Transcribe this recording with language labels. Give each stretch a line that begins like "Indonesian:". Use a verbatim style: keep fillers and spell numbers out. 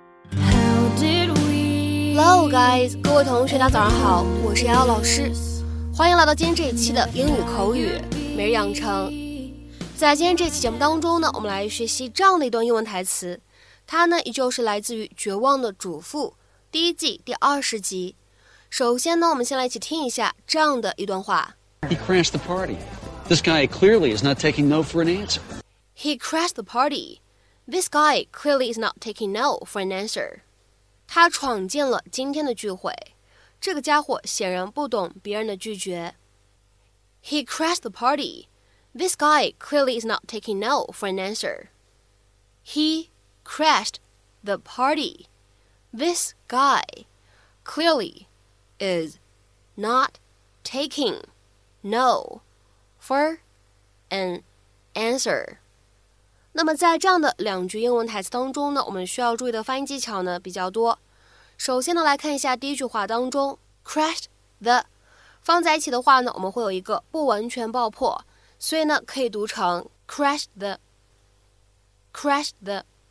English: Hello guys，
Chinese: 各位同学大家早上好，我是瑶瑶老师，欢迎来到今天这一期的英语口语每日养成。在今天这期节目当中呢，我们来学习这样的一段英文台词，它呢依旧是来自于《绝望的主妇》第一季第二十集。首先呢，我们先来一起听一下这样的一段话
English: ：He crashed the party. This guy clearly is not taking no for an answer. He crashed the party. This guy clearly is not taking no for an answer.
Chinese: 他闯进了今天的聚会，这个家伙显然不懂别人的拒绝。
English: He crashed the party. This guy clearly is not taking no for an answer. He crashed the party. This guy clearly is not taking no for an answer.
Chinese: 那么在这样的两句英文台词当中呢，我们需要注意的发音技巧呢比较多。首先呢，来看一下第一句话当中 crashed the 放在一起的话呢，我们会有一个不完全爆破，所以呢可以读成 crashed the crashed the。